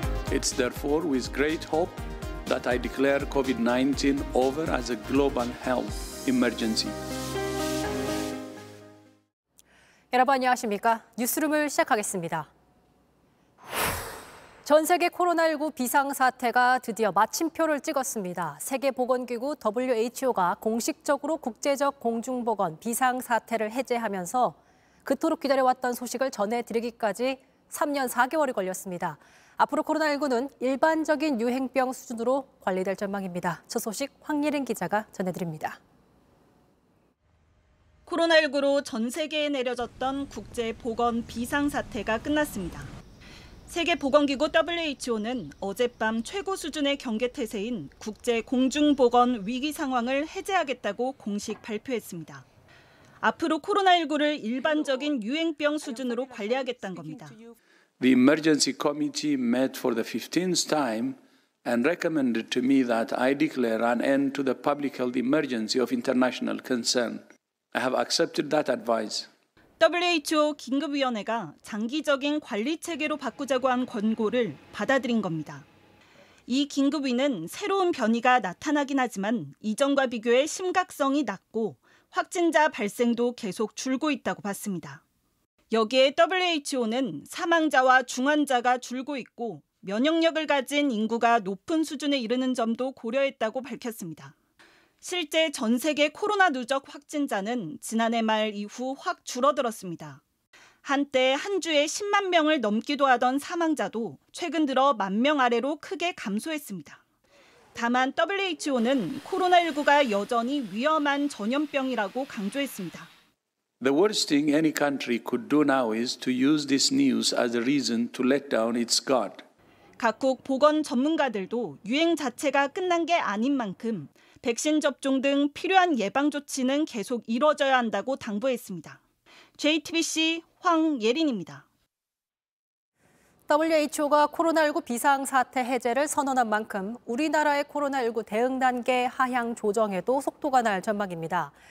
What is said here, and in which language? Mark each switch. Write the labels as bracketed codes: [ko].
[en] It's therefore with great hope that I declare COVID-19 over as a global health emergency. [ko] 여러분 안녕하십니까? 뉴스룸을 시작하겠습니다. 전 세계 코로나19 비상사태가 드디어 마침표를 찍었습니다. 세계보건기구 WHO가 공식적으로 국제적 공중보건 비상사태를 해제하면서 그토록 기다려왔던 소식을 전해드리기까지 3년 4개월이 걸렸습니다. 앞으로 코로나19는 일반적인 유행병 수준으로 관리될 전망입니다. 첫 소식 황예린 기자가 전해드립니다. 코로나19로 전 세계에 내려졌던 국제보건 비상사태가 끝났습니다. 세계보건기구 WHO는 어젯밤 최고 수준의 경계태세인 국제공중보건 위기 상황을 해제하겠다고 공식 발표했습니다. 앞으로 코로나19를 일반적인 유행병 수준으로 관리하겠다는 겁니다. [en] The emergency committee met for the 15th time and recommended to me that I declare an end to the public health emergency of international concern. I have accepted that advice. [ko] WHO 긴급위원회가 장기적인 관리 체계로 바꾸자고 한 권고를 받아들인 겁니다. 이 긴급위는 새로운 변이가 나타나긴 하지만 이전과 비교해 심각성이 낮고 확진자 발생도 계속 줄고 있다고 봤습니다. 여기에 WHO는 사망자와 중환자가 줄고 있고 면역력을 가진 인구가 높은 수준에 이르는 점도 고려했다고 밝혔습니다. 실제 전 세계 코로나 누적 확진자는 지난해 말 이후 확 줄어들었습니다. 한때 한 주에 10만 명을 넘기도 하던 사망자도 최근 들어 1만 명 아래로 크게 감소했습니다. 다만 WHO는 코로나19가 여전히 위험한 전염병이라고 강조했습니다. [en] The worst thing any country could do now is to use this news as a reason to let down its guard. [ko] 각국 보건 전문가들도 유행 자체가 끝난 게 아닌 만큼 백신 접종 등 필요한 예방 조치는 계속 이뤄져야 한다고 당부했습니다. JTBC 황예린입니다. WHO가 코로나19 비상사태 해제를 선언한 만큼 우리나라의 코로나19 대응 단계 하향 조정에도 속도가 날 전망입니다.